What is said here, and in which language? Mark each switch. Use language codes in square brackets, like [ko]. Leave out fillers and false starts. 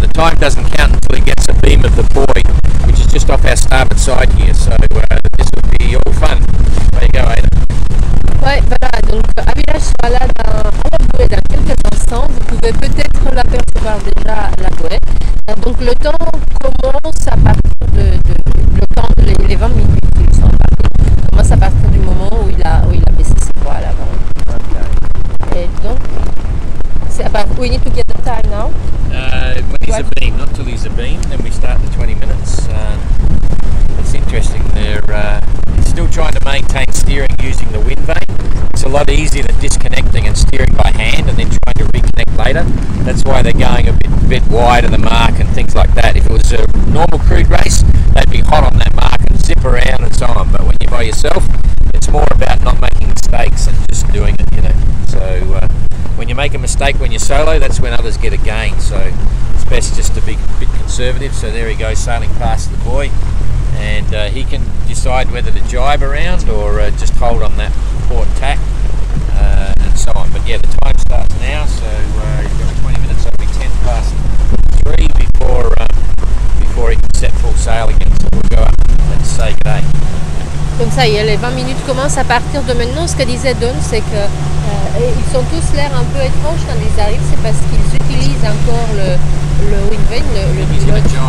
[en] The time doesn't count until he gets a beam of the buoy, which is just off our starboard side here. So this will be all fun. There you go, Aiden. [fr] Ouais, voilà, donc Abhilash sera là à la bouée dans quelques instants. Vous pouvez peut-être l'apercevoir déjà à la bouée. Donc le temps commence à partir de le temps de les 20 minutes qu'ils sont partis. Commence à partir du moment où il a baissé ses voiles à l'avant. Et donc, c'est à partir. [en] We need to get the time now. When he's a beam, not till he's a beam, then we start the 20 minutes. It's interesting. They're still trying to maintain steering using the wind vane. It's a lot easier than disconnecting and steering by hand and then trying to reconnect later. That's why they're going a bit wider the mark and things like that. If it was a normal crewed race, they'd be hot on that mark and zip around and so on. But when you're by yourself, it's more about not making mistakes and just doing it, you know. So when you make a mistake when you're solo, that's when others get a gain. So it's best just to be a bit conservative. So there he goes, sailing past the buoy. And he can decide whether to jibe around or just hold on that port tack and so on. But yeah, the time starts now, so he's got 20 minutes, so it'll be 10 past 3 before he can set full sail again. So we'll go up and say good day. [fr] Donc ça y est, les 20 minutes commencent à partir de maintenant. Ce que disait Don, c'est qu'ils ont tous l'air un peu étranges quand ils arrivent. C'est parce qu'ils utilisent encore le wind vane, le pilote.